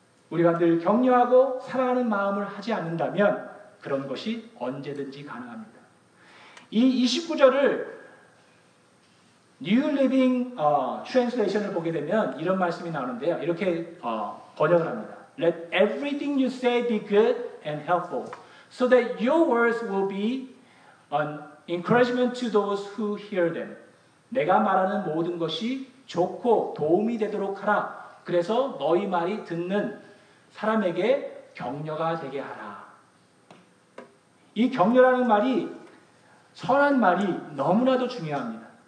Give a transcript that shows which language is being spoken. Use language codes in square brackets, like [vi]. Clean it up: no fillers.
[ko] 우리가 늘 격려하고 사랑하는 마음을 하지 않는다면 그런 것이 언제든지 가능합니다. 이 29절을 New Living Translation을 보게 되면 이런 말씀이 나오는데요. 이렇게 번역을 합니다. [en] Let everything you say be good and helpful so that your words will be an encouragement to those who hear them. [ko] 내가 말하는 모든 것이 좋고 도움이 되도록 하라. 그래서 너희 말이 듣는 사람에게 격려가 되게 하라. 이 격려라는 말이, 선한 말이 너무나도 중요합니다.